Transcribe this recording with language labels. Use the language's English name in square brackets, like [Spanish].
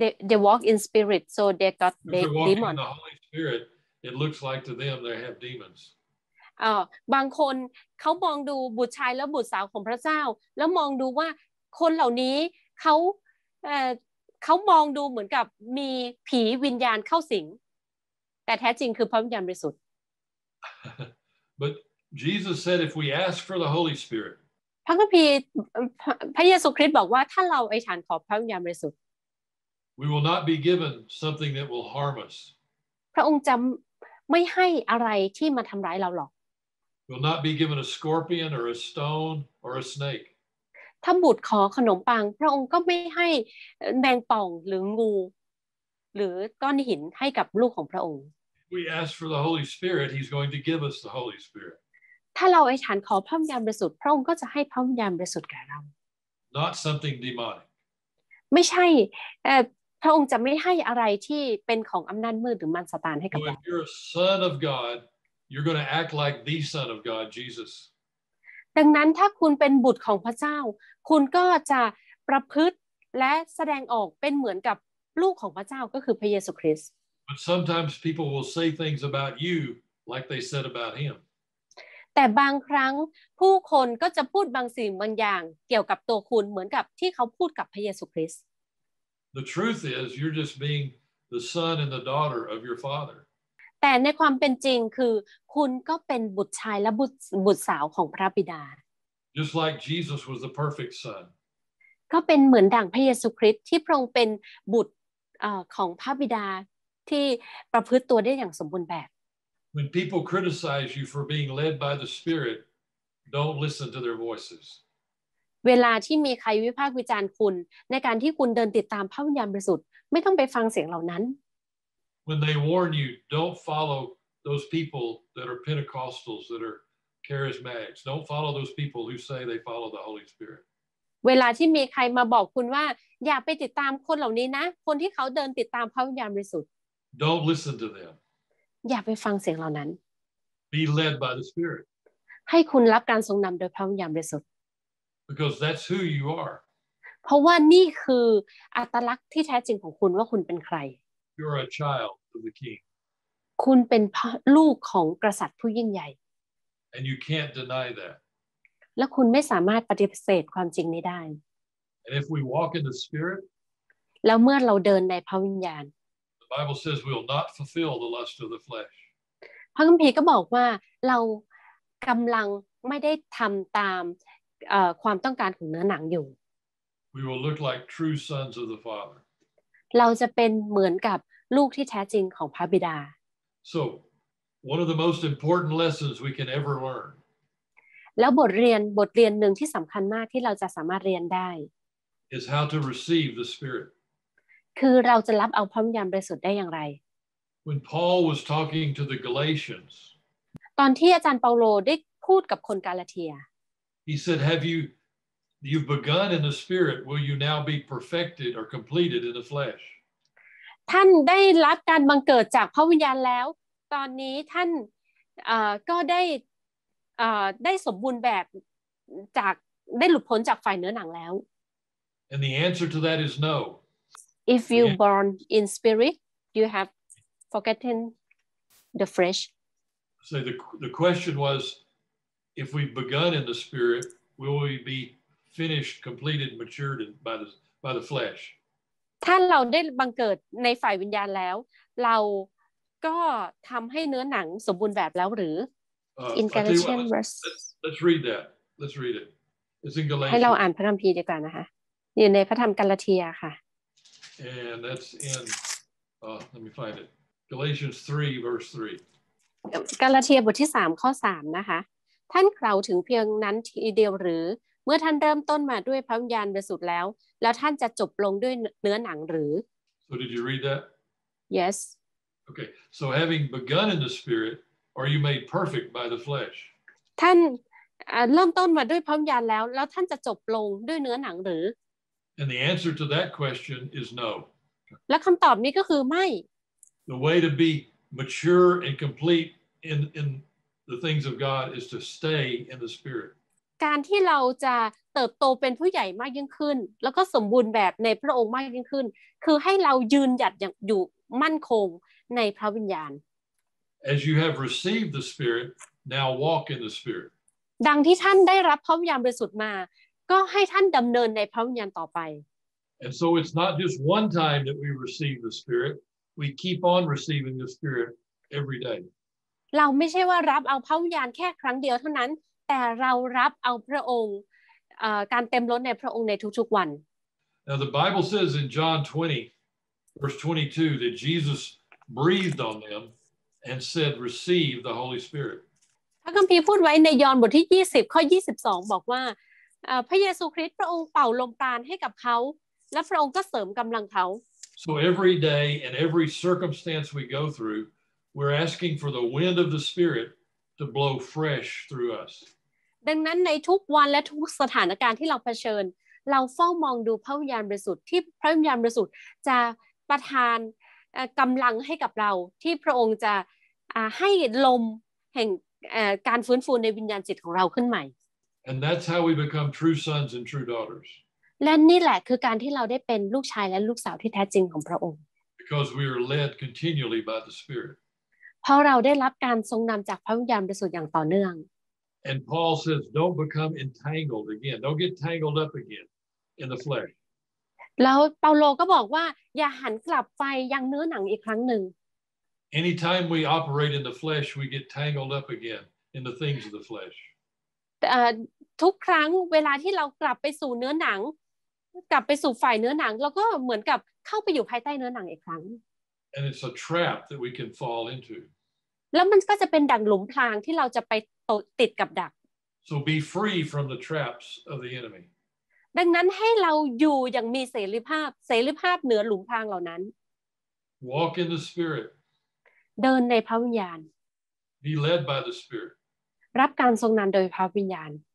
[English] They walk in spirit, so they got demons. They walk in the Holy Spirit. It looks like to them they have demons. [Thai] บางคนเขามองดูบุตรชายและบุตรสาวของพระเจ้าแล้วมองดูว่าคนเหล่านี้เขามองดูเหมือนกับมีผีวิญญาณเข้าสิงแต่แท้จริงคือพระวิญญาณบริสุทธิ์ [English] But Jesus said if we ask for the Holy Spirit. [Thai] พระคัมภีร์พระเยซูคริสต์บอกว่าถ้าเราอธิษฐานขอพระวิญญาณบริสุทธิ์ [English] We will not be given something that will harm us [Thai] พระองค์จะไม่ให้อะไรที่มาทำร้ายเราหรอก [English] We'll not be given a scorpion or a stone or a snake [Thai] ถ้าบุตรขอขนมปังพระองค์ก็ไม่ให้แมงป่องหรืองูหรือก้อนหินให้กับลูกของพระองค์ [English] We ask for the Holy Spirit he's going to give us the Holy Spirit [Thai] ถ้าเราอธิษฐานขอพระวิญญาณบริสุทธิ์พระองค์ก็จะให้พระวิญญาณบริสุทธิ์แก่เรา [English] Not something demonic [Thai] ไม่ใช่พระองค์จะไม่ให้อะไรที่เป็นของอำนาจมืดหรือมารซาตานให้กับเรา [English] If you're a son of God you're going to act like the son of God Jesus [Thai] ดังนั้นถ้าคุณเป็นบุตรของพระเจ้าคุณก็จะประพฤติและแสดงออกเป็นเหมือนกับลูกของพระเจ้าก็คือพระเยซูคริสต์ [English] But sometimes people will say things about you like they said about him [Thai] แต่บางครั้งผู้คนก็จะพูดบางสิ่งบางอย่างเกี่ยวกับตัวคุณเหมือนกับที่เขาพูดกับพระเยซูคริสต์ [English] The truth is you're just being the son and the daughter of your father [Thai] แต่ในความเป็นจริงคือคุณก็เป็นบุตรชายและบุตรสาวของพระบิดา [English] Just like Jesus was the perfect son [Thai] ก็เป็นเหมือนดั่งพระเยซูคริสต์ที่พระองค์เป็นบุตรของพระบิดาที่ประพฤติตัวได้อย่างสมบูรณ์แบบ [English] When people criticize you for being led by the Spirit, don't listen to their voices. [Thai] เวลาที่มีใครวิพากษ์วิจารณ์คุณในการที่คุณเดินติดตามพระวิญญาณบริสุทธิ์ไม่ต้องไปฟังเสียงเหล่านั้น [English] When they warn you, don't follow those people that are Pentecostals that are charismatics. Don't follow those people who say they follow the Holy Spirit. [Thai] เวลาที่มีใครมาบอกคุณว่าอย่าไปติดตามคนเหล่านี้นะคนที่เขาเดินติดตามพระวิญญาณบริสุทธิ์ [English] Don't listen to them [Thai] อย่าไปฟังเสียงเหล่านั้น [English] Be led by the Spirit [Thai] ให้คุณรับการทรงนำโดยพระวิญญาณบริสุทธิ์ [English] Because that's who you are [Thai] เพราะว่านี่คืออัตลักษณ์ที่แท้จริงของคุณว่าคุณเป็นใคร [English] You're a child of the King [Thai] คุณเป็นลูกของกษัตริย์ผู้ยิ่งใหญ่ [English] And you can't deny that [Thai] แล้วคุณไม่สามารถปฏิเสธความจริงนี้ได้ [English] And if we walk in the Spirit, [Thai] แล้วเมื่อเราเดินในพระวิญญาณ [English] The Bible says we will not fulfill the lust of the flesh. [Thai] พระคัมภีร์ก็บอกว่าเรากำลังไม่ได้ทำตามความต้องการของเนื้อหนังอยู่ [English] We will look like true sons of the Father. [Thai] เราจะเป็นเหมือนกับลูกที่แท้จริงของพระบิดา [English] So, one of the most important lessons we can ever learn [Thai] แล้วบทเรียนหนึ่งที่สำคัญมากที่เราจะสามารถเรียนได้ [English] is how to receive the spirit [Thai] คือเราจะรับเอาพระวิญญาณบริสุทธิ์ได้อย่างไร [English] when Paul was talking to the Galatians [Thai] ตอนที่อาจารย์เปาโลได้พูดกับคนกาลาเทีย [English] he said have you've begun in the spirit will you now be perfected or completed in the flesh [Thai] ท่านได้รับการบังเกิดจากพระวิญญาณแล้วตอนนี้ท่านก็ได้ได้สมบูรณ์แบบจากได้หลุดพ้นจากฝ่ายเนื้อหนังแล้ว [English] And the answer to that is no. If you born in spirit, you have forgotten the flesh. So the question was, if we've begun in the spirit, will we be finished, completed, matured by the flesh? [Thai] ถ้าเราได้บังเกิดในฝ่ายวิญญาณแล้วเราก็ทำให้เนื้อหนังสมบูรณ์แบบแล้วหรือ [English] In Galatians, let's read that. Let's read it. It's in Galatians. [Thai] ให้เราอ่านพระธรรมพีดีกว่านะคะอยู่ในพระธรรมกาลาเทียค่ะ [English] And that's in, let me find it. Galatians 3, verse 3. [Thai] กาลาเทียบทที่3ข้อ3นะคะท่านเคราถึงเพียงนั้นทีเดียวหรือเมื่อท่านเริ่มต้นมาด้วยพระวิญญาณบริสุทธิ์แล้วท่านจะจบลงด้วยเนื้อหนังหรือ [English] So did you read that? Yes. Okay. So having begun in the spirit,Or you made perfect by the flesh. [Thai] ท่านเริ่มต้นมาด้วยพระวิญญาณแล้วท่านจะจบลงด้วยเนื้อหนังหรือ [English] And the answer to that question is no. [Thai] และคำตอบนี้ก็คือไม่ [English] The way to be mature and complete in the things of God is to stay in the Spirit. [Thai] การที่เราจะเติบโตเป็นผู้ใหญ่มากยิ่งขึ้นแล้วก็สมบูรณ์แบบในพระองค์มากยิ่งขึ้นคือให้เรายืนหยัดอยู่มั่นคงในพระวิญญาณ [English] As you have received the Spirit, now walk in the Spirit. [Thai] ดังที่ท่านได้รับพระวิญญาณบริสุทธิ์มาก็ให้ท่านดำเนินในพระวิญญาณต่อไป [English] And so it's not just one time that we receive the Spirit. We keep on receiving the Spirit every day. [Thai] เราไม่ใช่ว่ารับเอาพระวิญญาณแค่ครั้งเดียวเท่านั้นแต่เรารับเอาพระองค์การเต็มล้นในพระองค์ในทุกๆวัน [English] Now the Bible says in John 20, verse 22, that Jesus breathed on them. And said, "Receive the Holy Spirit." [Thai] พระคัมภีร์พูดไว้ในยอห์นบทที่20ข้อ22บอกว่าพระเยซูคริสต์พระองค์เป่าลมปราณให้กับเขาและพระองค์ก็เสริมกำลังเขา [English] So every day and every circumstance we go through, we're asking for the wind of the Spirit to blow fresh through us. [Thai] ดังนั้นในทุกวันและทุกสถานการณ์ที่เราเผชิญเราเฝ้ามองดูพระวิญญาณบริสุทธิ์ที่พระวิญญาณบริสุทธิ์จะประทานกำลังให้กับเราที่พระองค์จะให้ลมแห่งการฟื้นฟูในวิญญาณจิตของเราขึ้นใหม่ [English] And that's how we become true sons and true daughters. [Thai] และนี่แหละคือการที่เราได้เป็นลูกชายและลูกสาวที่แท้จริงของพระองค์ [English] Because we are led continually by the Spirit. [Thai] เพราะเราได้รับการทรงนำจากพระวิญญาณบริสุทธิ์อย่างต่อเนื่อง [English] And Paul says don't become entangled again. Don't get tangled up again in the flesh. [Thai] แล้วเปาโลก็บอกว่าอย่าหันกลับไปยังเนื้อหนังอีกครั้งหนึ่ง [English] Anytime we operate in the flesh we get tangled up again in the things of the flesh [Thai] ทุกครั้งเวลาที่เรากลับไปสู่เนื้อหนังกลับไปสู่ฝ่ายเนื้อหนังแล้วก็เหมือนกับเข้าไปอยู่ภายใต้เนื้อหนังอีกครั้ง [English] And it's a trap that we can fall into. [Thai] แล้วมันก็จะเป็นดักหลุมพรางที่เราจะไปติดกับดัก [English] So be free from the traps of the enemy. [Thai] ดังนั้นให้เราอยู่อย่างมีเสรีภาพเสรีภาพเหนือหลุมพรางเหล่านั้น [English] Walk in the Spirit. [Thai] เดินในพระวิญญาณ [English] Be led by the Spirit. [Thai] รับการทรงนำโดยพระวิญญาณ